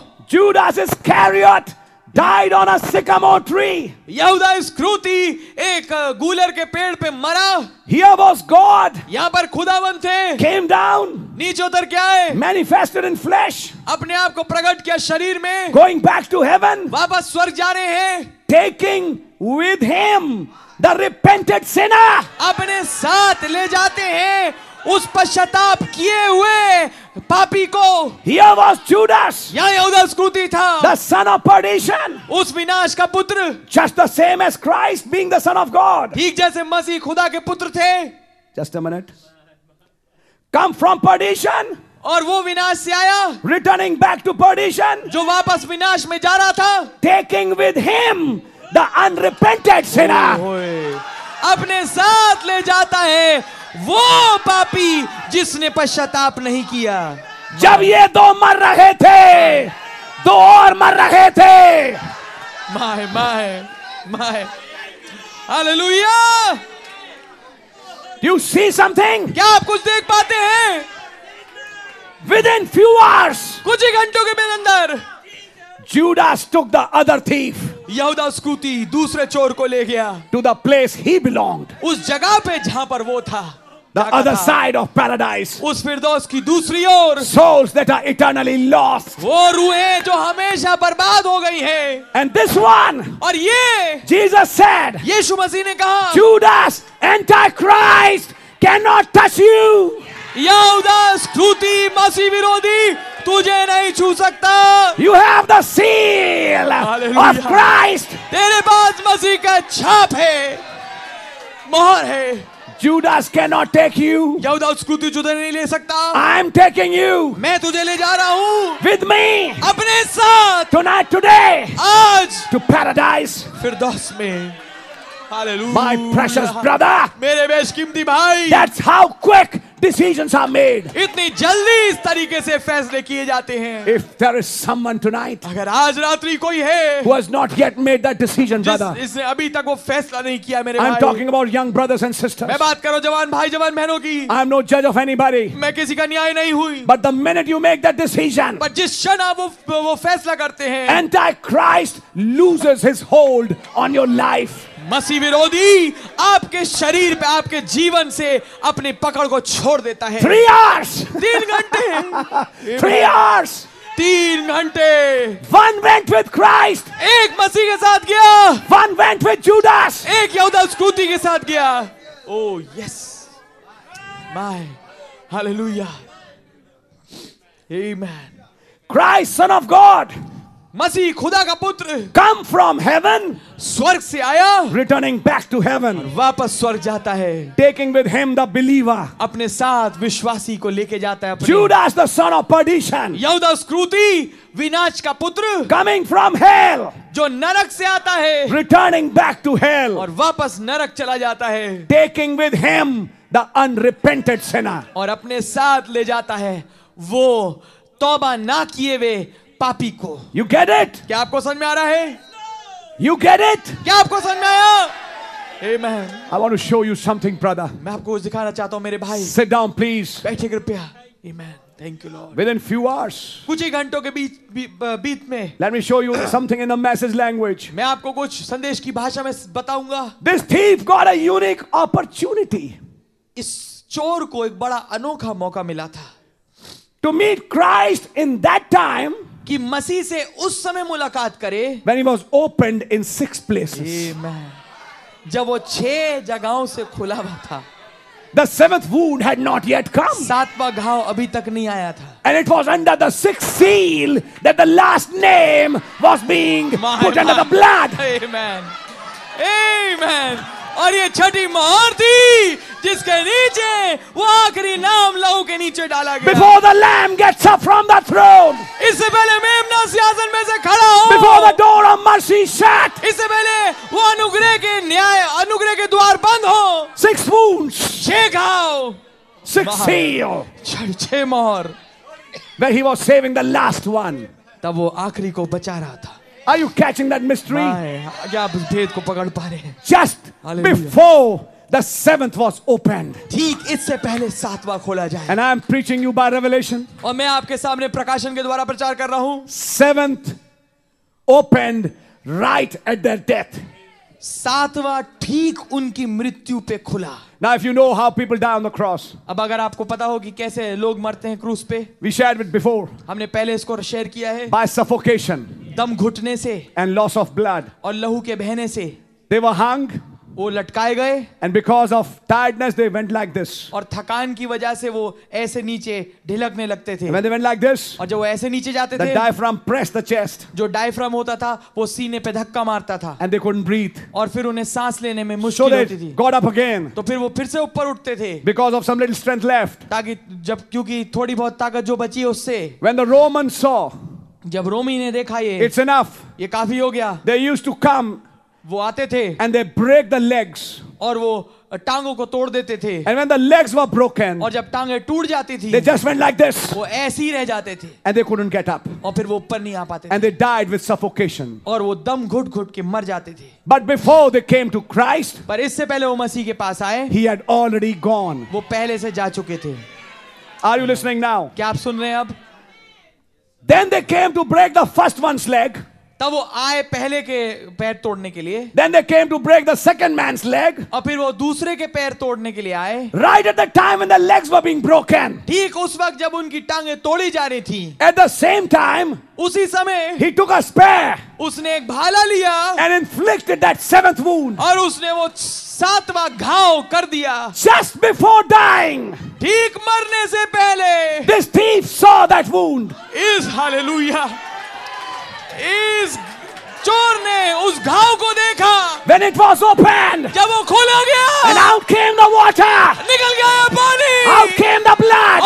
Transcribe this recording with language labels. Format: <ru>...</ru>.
<en>Judas Iscariot died on a sycamore tree.</en> <hi>यहूदा इस्करियोति एक गुलर के पेड़ पे मरा.</hi> <en>Here was God.</en> <hi>यहाँ पर खुदावंत थे.</hi> <en>Came down.</en> <hi>नीचे उतर के आए.</hi> <en>Manifested in flesh.</en> <hi>अपने आप को प्रकट किया शरीर में.</hi> <en>Going back to heaven.</en> <hi>वापस स्वर्ग जा रहे हैं.</hi> <en>Taking with him the repented sinner.</en> <hi>अपने साथ ले जाते हैं उस पश्चाताप किए हुए पापी को.</hi> <en>Here was Judas.</en> <hi>यहाँ यहूदा इस्करियोति था.</hi> <en>The son of perdition.</en> <hi>उस विनाश का पुत्र.</hi> <en>Just the same as Christ being the son of God.</en> <hi>ठीक जैसे मसीह खुदा के पुत्र थे.</hi> <en>Just a minute. Come from perdition.</en> <hi>और वो विनाश से आया.</hi> <en>Returning back to perdition.</en> <hi>जो वापस विनाश में जा रहा था.</hi> <en>Taking with him the unrepented sinner.</en> <hi>अपने साथ ले जाता है वो पापी जिसने पश्चाताप नहीं किया. जब ये दो मर रहे थे दो और मर रहे थे.</hi> <en>My my my hallelujah. You see something.</en> <hi>क्या आप कुछ देख पाते हैं?</hi> <en>Within few hours.</en> <hi>कुछ ही घंटों के अंदर.</hi> <en>Judas took the other thief.</en> <hi>यहूदा स्कूति दूसरे चोर को ले गया.</hi> <en>To the place he belonged.</en> <hi>उस जगह पे जहां पर वो था.</hi> <en>The other side of paradise.</en> <hi>उस फिरदौस की दूसरी ओर.</hi> <en>Souls that are eternally lost.</en> <hi>वो रूहें जो हमेशा बर्बाद हो गई हैं.</hi> <en>And this one.</en> <hi>और ये.</hi> <en>Jesus said.</en> <hi>यीशु मसीह ने कहा.</hi> <en>Judas, Antichrist, cannot touch you.</en> <hi>यहूदा स्तुति मसीह विरोधी तुझे नहीं छू सकता.</hi> <en>You have the seal of Christ.</en> <hi>तेरे पास मसीह का छाप है, मोहर है.</hi> <en>Judas cannot take you.</en> <hi>यहूदा स्कूति तुझे नहीं ले सकता.</hi> <en>I am taking you.</en> <hi>मैं तुझे ले जा रहा हूँ.</hi> <en>With me.</en> <hi>अपने साथ.</hi> <en>Tonight, today.</en> <hi>आज.</hi> <en>To paradise.</en> <hi>फिरदौस में. Hallelujah.</hi> <en>My precious brother.</en> <hi>मेरे बेशकीमती भाई.</hi> <en>That's how quick decisions are made.</en> <hi>Itni jaldi is tarike se faisle kiye jate hain.</hi> <en>If there is someone tonight,</en> <hi>agar aaj ratri koi hai,</hi> <en>who has not yet made that decision, brother.</en> <hi>Isne abhi tak wo faisla nahi kiya mere</hi> <en>bhai. I'm talking about young brothers and sisters.</en> <hi>Main baat kar raha hu jawan bhai jawan behno ki.</hi> <en>I'm no judge of anybody.</en> <hi>Main kisi ka nyay nahi hui.</hi> <en>But the minute you make that decision,</en> <hi>par jis kshan aap wo faisla karte hain,</hi> <en>Antichrist loses his hold on your life.</en> <hi>मसीह विरोधी आपके शरीर पे आपके जीवन से अपनी पकड़ को छोड़ देता है.</hi> <en>Three hours.</en> <hi>तीन घंटे.</hi> <en>Three hours.</en> <hi>तीन घंटे.</hi> <en>One went with Christ.</en> <hi>एक मसीह के साथ गया.</hi> <en>One went with Judas.</en> <hi>एक यहूदा इस्करियोती के साथ गया.</hi> <en>Oh yes. My. Hallelujah. Amen. Christ, Son of God.</en> <hi>मसीह खुदा का पुत्र.</hi> <en>Come from heaven.</en> <hi>स्वर्ग से आया.</hi> <en>Returning back to heaven.</en> <hi>वापस स्वर्ग जाता है.</hi> <en>Taking with him the believer.</en> <hi>अपने साथ विश्वासी को लेके जाता है.</hi> <en>Judas the son of perdition.</en> <hi>यहूदा स्क्रूति विनाश का पुत्र.</hi> <en>Coming from hell.</en> <hi>जो नरक से आता है.</hi> <en>Returning back to hell.</en> <hi>और वापस नरक चला जाता है.</hi> <en>Taking with him the unrepented sinner.</en> <hi>और अपने साथ ले जाता है वो तौबा ना किए हुए पापी को.</hi> <en>You get it?</en> <hi>क्या आपको समझ में आ रहा है?</hi> <en>You get it?</en> <hi>क्या आपको समझ में आया? Amen.</hi> <en>I want to show you something, brother.</en> <hi>मैं आपको कुछ दिखाना चाहता हूँ मेरे भाई.</hi> <en>Sit down, please.</en> <hi>बैठे कृपया.</hi> <en>Amen. Thank you, Lord. Within few hours.</en> <hi>कुछ ही घंटों के बीच में.</hi> <en>Let me show you something in the message language.</en> <hi>मैं आपको कुछ संदेश की भाषा में बताऊंगा.</hi> <en>This thief got a unique opportunity.</en> <hi>इस चोर को एक बड़ा अनोखा मौका मिला था.</hi> <en>To meet Christ in that time.</en> <hi>कि मसीह से उस समय मुलाकात करे.</hi> <en>When he was opened in six places. Amen.</en> <hi>जब वो छह जगहों से खुला हुआ था.</hi> <en>The seventh wound had not yet come.</en> <hi>सातवां घाव अभी तक नहीं आया था.</hi> <en>And it was under the sixth seal that the last name was being put under the blood. Amen. Amen.</en> <hi>और ये छठी मोहर थी जिसके नीचे वो आखिरी नाम लहू के नीचे डाला गया.</hi> <en>Before the lamb gets up from the throne.</en> <hi>इससे पहले मेमना सिंहासन में से खड़ा हो.</hi> <en>Before the door of mercy shut.</en> <hi>इससे पहले वो अनुग्रह के न्याय अनुग्रह के द्वार बंद हो.</hi> <en>Six wounds.</en> <hi>छह घाव.</hi> <en>Six seal.</en> <hi>छह मोहर.</hi> <en>Where he was saving the last one.</en> <hi>तब वो आखिरी को बचा रहा था.</hi> <en>Are you catching that mystery?</en> <hi>क्या आप भेद को पकड़ पा रहे हैं?</hi> <en>Just before the seventh was opened.</en> <hi>ठीक इससे पहले सातवां खोला जाए.</hi> <en>And I am preaching you by revelation.</en> <hi>और मैं आपके सामने प्रकाशन के द्वारा प्रचार कर रहा हूँ.</hi> <en>Seventh opened right at their death.</en> <hi>सातवां ठीक उनकी मृत्यु पे खुला.</hi> <en>Now if you know how people die on the cross.</en> <hi>अब अगर आपको पता हो कि कैसे लोग मरते हैं क्रूस पे.</hi> <en>We shared it before.</en> <hi>हमने पहले इसको शेयर किया है.</hi> <en>By suffocation.</en> <hi>दम घुटने से.</hi> <en>And loss of blood.</en> <hi>और लहू के बहने से.</hi> <en>They were hung.</en> <hi>वो लटकाए गए.</hi> <en>And because of tiredness they went like this.</en> <hi>और थकान की वजह से वो ऐसे नीचे ढिलकने लगते थे.</hi> <en>And when they went like this.</en> <hi>और जब वो ऐसे नीचे जाते</hi> <en>the</en> <hi>थे.</hi> <en>The diaphragm pressed the chest.</en> <hi>जो diaphragm होता था वो सीने पे धक्का मारता था.</hi> <en>And they couldn't breathe.</en> <hi>और फिर उन्हें सांस लेने में मुश्किल होती थी.</hi> <en>Got up again.</en> <hi>तो फिर वो फिर से ऊपर उठते थे.</hi> <en>Because of some little strength left.</en> <hi>ताकि जब क्योंकि थोड़ी बहुत ताकत जो बची उससे.</hi> <en>When the Romans saw.</en> <hi>जब रोमी ने देखा ये.</hi> <en>It's enough.</en> <hi>ये काफी हो गया.</hi> <en>They used to come.</en> <hi>वो आते थे.</hi> <en>And they break the legs.</en> <hi>और वो टांगों को तोड़ देते थे.</hi> <en>And when the legs were broken.</en> <hi>और जब टांगें टूट जाती थी.</hi> <en>They just went like this.</en> <hi>वो ऐसे ही रह जाते थे.</hi> <en>And they couldn't get up.</en> <hi>और फिर वो ऊपर नहीं आ पाते.</hi> <en>And they died with suffocation.</en> <hi>और वो दम घुट घुट के मर जाते थे.</hi> <en>But before they came to Christ.</en> <hi>पर इससे पहले वो मसीह के पास आए.</hi> <en>He had already gone.</en> <hi>वो पहले से जा चुके थे.</hi> <en>Are you listening now?</en> <hi>क्या आप सुन रहे हैं अब?</hi> <en>Then they came to break the first one's leg.</en> <hi>तब वो आए पहले के पैर तोड़ने के लिए.</hi> <en>Then they came to break the second man's leg.</en> <hi>और फिर वो दूसरे के पैर तोड़ने के लिए आए.</hi> <en>Right at the time when the legs were being broken.</en> <hi>ठीक उस वक्त जब उनकी टांगें तोड़ी जा रही थी.</hi> <en>At the same time.</en> <hi>उसी समय.</hi> <en>He took a spear.</en> <hi>उसने एक भाला लिया.</hi> <en>And inflicted that seventh wound.</en> <hi>और उसने वो सातवां घाव कर दिया.</hi> <en>Just before dying.</en> <hi>ठीक मरने से पहले.</hi> <en>This thief saw that wound. Is hallelujah.</en> <hi>इस चोर ने उस घाव को देखा.</hi> <en>When it was opened.</en> <hi>जब वो खोला गया.</hi> <en>And out came the water.</en> <hi>निकल गया पानी.</hi> <en>Out came the blood.</en>